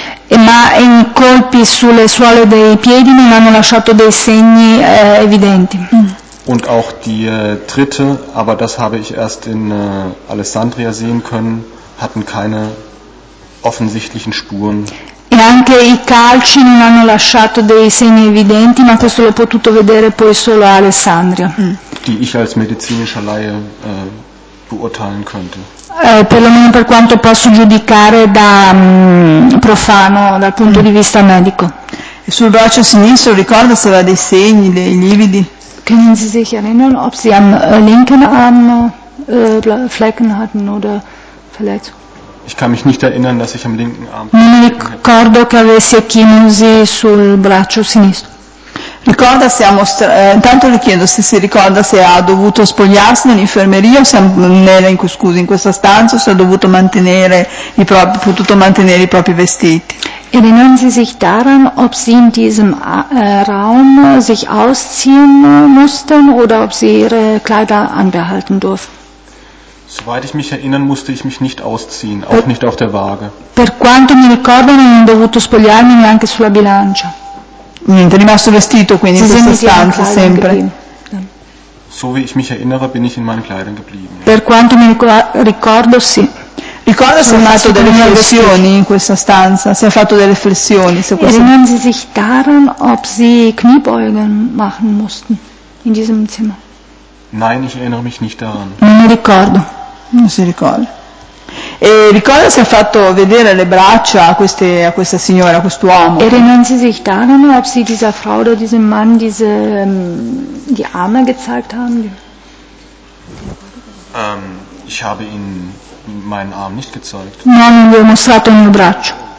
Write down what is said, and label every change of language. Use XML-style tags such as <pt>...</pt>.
<it>Ma i colpi sulle suole dei piedi non hanno lasciato dei segni evidenti.</it> <de>Und auch die Tritte, aber das habe ich erst in Alessandria sehen können, hatten keine offensichtlichen Spuren.</de> <it>E anche i calci non hanno lasciato dei segni evidenti, ma questo l'ho potuto vedere poi solo a Alessandria.</it> <de>Die ich als medizinischer Laie beurteilen könnte.</de> <it>Perlomeno per quanto posso giudicare da profano, dal punto di vista medico. E sul braccio sinistro ricorda se aveva dei segni, dei lividi?</it> <de>Können Sie sich erinnern, ob Sie am linken Arm Flecken hatten oder Verletzungen? Ich kann mich nicht erinnern, dass ich am linken Arm.</de> <it>Non mi ricordo che avessi chinosi sul braccio sinistro. Ricorda se ha intanto le chiedo se si ricorda se ha dovuto spogliarsi nell'infermeria o se in questa stanza o se ha dovuto mantenere potuto mantenere i propri vestiti.</it> <de>Erinnern Sie sich daran, ob Sie in diesem Raum sich ausziehen mussten oder ob Sie Ihre Kleider anbehalten durften? Soweit ich mich erinnern, musste ich mich nicht ausziehen, auch nicht auf der Waage.</de> <it>Per quanto mi ricordo, non ho dovuto spogliarmi neanche sulla bilancia. Niente, rimasto vestito quindi in questa stanza sempre.</it> <de>So wie ich mich erinnere, bin ich in meinen Kleidern geblieben.</de> <it>Per quanto mi ricordo, sì. Ricorda se ha fatto delle flessioni in questa stanza, se ha fatto delle flessioni.</it> <de>Erinnern Sie sich daran, ob Sie Kniebeugen machen mussten in diesem Zimmer? Nein, ich erinnere mich nicht daran.</de> <it>Non mi ricordo. Non si ricorda. E ricorda se ha fatto vedere le braccia a questa signora, a quest'uomo.</it> <de>Erinnern Sie sich daran, ob Sie dieser Frau oder diesem Mann diese die Arme gezeigt haben? Ich habe ihnen meinen Arm nicht gezeigt.</de> <it>Non gli ho mostrato il mio braccio.</it>